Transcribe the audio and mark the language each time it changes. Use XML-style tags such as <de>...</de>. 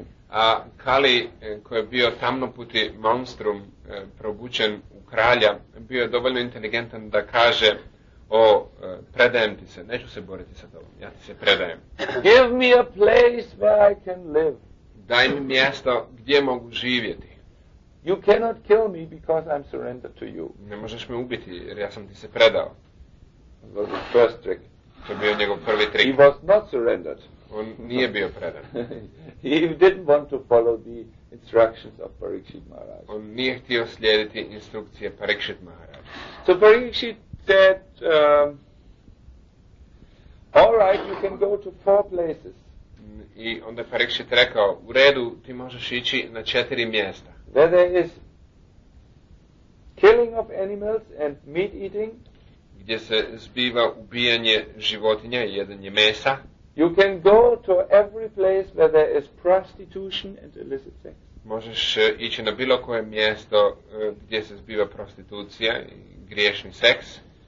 <hr>A Kali, koji je bio tamnoputi monstrum probučen u kralja, bio je dovoljno inteligentan da kaže, o, predajem ti se, neću se boriti sa tobom, ja ti se predajem.</hr> <en>Give me a place where I can live.</en> <hr>Daj mi mjesto gdje mogu živjeti.</hr> <en>You cannot kill me because I'm surrendered to you.</en> <hr>Ne možeš me ubiti jer ja sam ti se predao.</hr> <en>That was the first trick.</en> <hr>To bio njegov prvi trik.</hr> <en>He was not surrendered.</en> <hr>On nije bio predan.</hr> <en>He didn't want to follow the instructions of Parikshit Maharaj.</en> <hr>On nije htio slijediti instrukcije Parikshit Maharaj.</hr> <en>So Parikshit said, all right, you can go to four places.</en> <hr>I onda Parikshit rekao, u redu, ti možeš ići na četiri mjesta.</hr> <en>Where there is killing of animals and meat eating.</en> <hr>Gdje se zbiva ubijanje životinja i jedanje mesa.</hr> <en>You can go to every place where there is prostitution and illicit sex.</en> <hr>Možeš ići na bilo koje mjesto gdje se zbiva prostitucija i griješni seks.</hr>